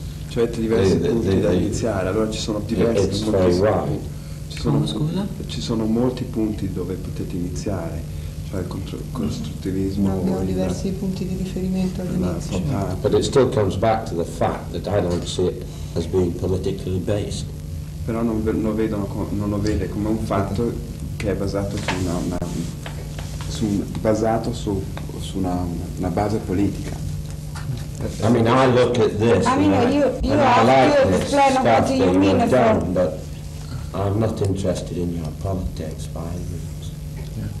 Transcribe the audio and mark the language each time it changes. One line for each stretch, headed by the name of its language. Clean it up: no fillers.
Italian: Cioè ti diversi punti da iniziare, allora ci sono diversi punti. Ci sono molti punti dove potete iniziare, cioè il costruttivismo. No, abbiamo diversi punti di riferimento all'inizio.
English: But it still comes back to the fact that I don't see it as being politically based.
Italian: Però non lo vede come un fatto che è basato su una base politica.
English: I mean, I look at this. I mean, you have to explain what you mean, but I'm not interested in your politics, by any means.